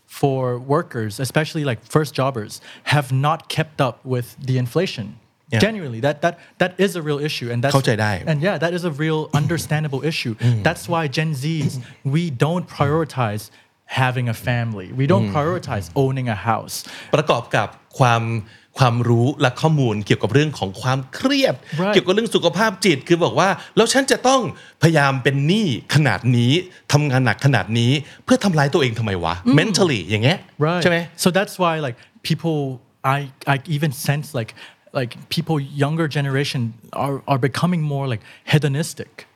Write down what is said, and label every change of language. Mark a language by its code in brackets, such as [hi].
[en] for workers especially like first jobbers have not kept up with the inflation yeah. genuinely that is a real issue and that's and yeah that is a real understandable issue that's why Gen Z's we don't prioritize having a family we don't prioritize owning a house [th] ประกอบกับความรู้และข้อมูลเกี่ยวกับเรื่องของความเครียด [en] right. [th] เกี่ยวกับเรื่องสุขภาพจิตคือบอกว่าแล้วฉันจะต้องพยายามเป็นหนี้ขนาดนี้ทำงานหนักขนาดนี้เพื่อทำลายตัวเองทำไมวะ mentally อย่างเงี้ย [en] right. [th] ใช่ไหม [en] so that's why like people I even sense like people younger generation are becoming more like hedonistic